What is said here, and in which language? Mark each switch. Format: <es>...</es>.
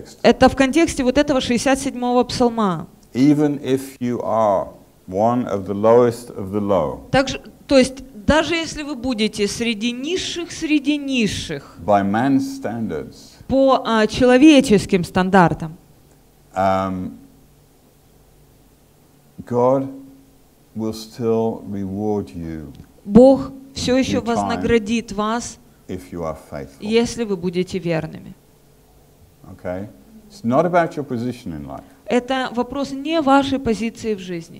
<ru>Это в контексте вот этого 67-го псалма.</ru> <en>Even if you are one of the lowest of the low.</en> <ru>Также, то есть, даже если вы будете среди низших,</ru> <en>by man's standards,</en> <ru>по человеческим стандартам,</ru> <en>God will still reward you.</en> <ru>Бог все еще вознаградит вас,</ru> <en>if you are faithful.</en> <ru>Если вы будете верными.</ru> <en>Okay, it's not about your position in life.</en> <ru>Это вопрос не вашей позиции в жизни.</ru>